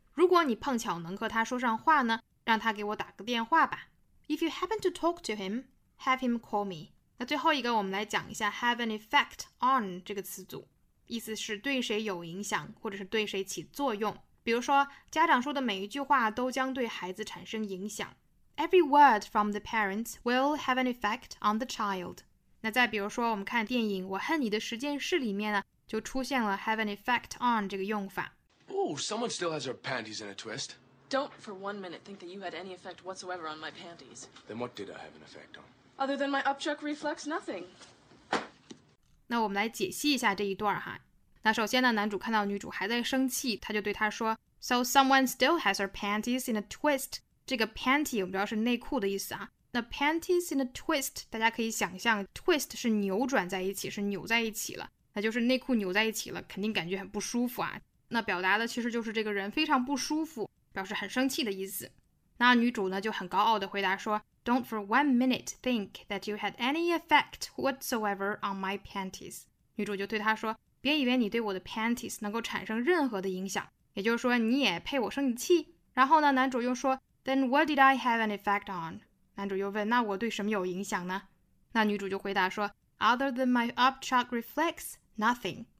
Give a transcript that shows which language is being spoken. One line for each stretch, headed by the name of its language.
Chinese: 如果你碰巧能和他说上话呢，让他给我打个电话吧。
English: If you happen to talk to him, have him call me.
Chinese: 那最后一个我们来讲一下
English: have an effect on
Chinese: 这个词组，意思是对谁有影响或者是对谁起作用。比如说家长说的每一句话都将对孩子产生影响。
English: Every word from the parents will have an effect on the child.
Chinese: 那再比如说我们看电影《我恨你》的实验室里面呢，就出现了
English: have an effect on
Chinese: 这个用法。
English: Oh, someone still has her panties in a twist. Don't for one minute think that you had any effect whatsoever on my panties. Then what did I have an effect on? Other than my upchuck reflex, nothing.
Chinese: 那我们来解析一下这一段哈。那首先呢，男主看到女主还在生气，他就对她说
English: So someone still has her panties in a twist.
Chinese: 这个 panty 我们知道是内裤的意思啊，那
English: panties in a twist
Chinese: 大家可以想象 twist 是扭转在一起，是扭在一起了，那就是内裤扭在一起了，肯定感觉很不舒服啊。那表达的其实就是这个人非常不舒服，表示很生气的意思。那女主呢就很高傲的回答说
English: Don't for one minute think that you had any effect whatsoever on my panties。
Chinese: 女主就对她说，别以为你对我的 panties 能够产生任何的影响，也就是说你也配我生你气。然后呢男主又说
English: Then what did I have an effect on?
Chinese: 男主又问，那我对什么有影响呢？那女主就回答说
English: Other than my upchuck reflex, nothing.